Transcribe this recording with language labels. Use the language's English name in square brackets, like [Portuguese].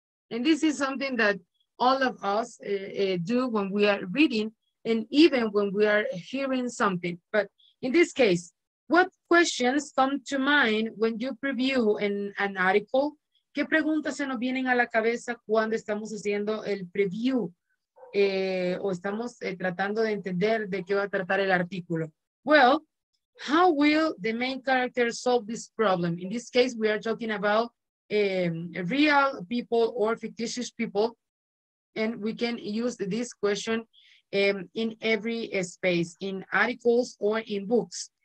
[English] And this is something that all of us do when we are reading and even when we are hearing something. But in this case, what questions come to mind when you preview an article? [Spanish] ¿Qué preguntas se nos vienen a la cabeza cuando estamos haciendo el preview? O estamos tratando de entender de qué va a tratar el artículo. [English] Well, how will the main character solve this problem? In this case, we are talking about real people or fictitious people, and we can use this question in every space, in articles or in books.